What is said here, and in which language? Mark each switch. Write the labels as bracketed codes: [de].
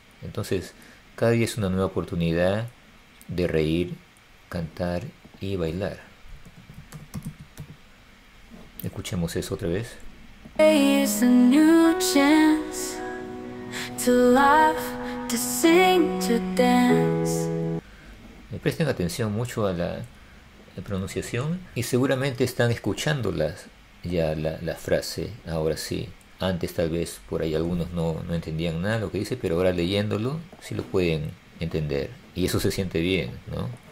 [es] Entonces, cada día es una nueva oportunidad de reír, cantar y bailar. Escuchemos eso otra vez. [en] Today is a new chance to laugh, to sing, to dance. [es] Me presten atención mucho a la pronunciación y seguramente están escuchándolas ya la frase, ahora sí. Antes tal vez por ahí algunos no entendían nada lo que dice, pero ahora leyéndolo sí lo pueden entender y eso se siente bien, ¿no?